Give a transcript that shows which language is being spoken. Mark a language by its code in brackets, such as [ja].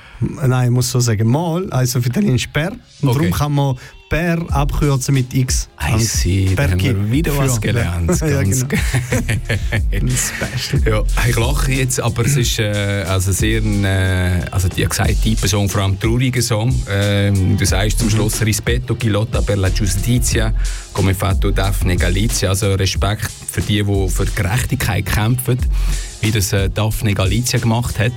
[de] Nein, ich muss so sagen, Mal, also auf Italienisch Per. Und darum kann man Per abkürzen mit X. [en] I see, [de] da haben wir wieder was gelernt. Ganz special. Ja, ich lache jetzt, aber es ist also sehr ein, also die gesagt, tiefer Song, vor allem trauriger Song. [it] Du sagst zum Schluss, rispetto chi lotta per la giustizia, come fatto Daphne Galizia. [de] Also Respekt für die, die für Gerechtigkeit kämpfen, wie das Daphne Galizia gemacht hat.